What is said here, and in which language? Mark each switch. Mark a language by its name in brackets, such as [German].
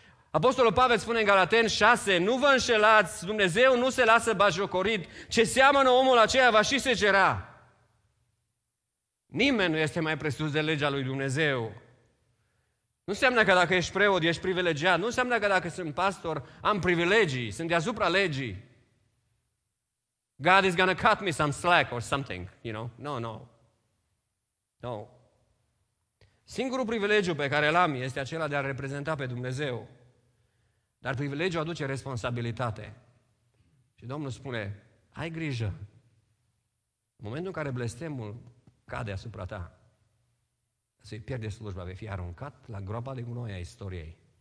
[Romanian] Apostolul Pavel spune în Galateni 6, nu vă înșelați, Dumnezeu nu se lasă bajocorit. Ce seamănă omul aceea va și segera. Nimeni nu este mai presus de legea lui Dumnezeu. Nu înseamnă că dacă ești preot, ești privilegiat. Nu înseamnă că dacă sunt pastor, am privilegii, sunt deasupra legii. [English] God is gonna cut me some slack or something, you know? No. [Romanian] Singurul privilegiu pe care l-am este acela de a reprezenta pe Dumnezeu. Dar privilegiul aduce responsabilitate. Și Domnul spune, ai grijă. În momentul în care blestemul cade asupra ta, să-i pierde slujba, vei fi aruncat la groapa de gunoi a istoriei.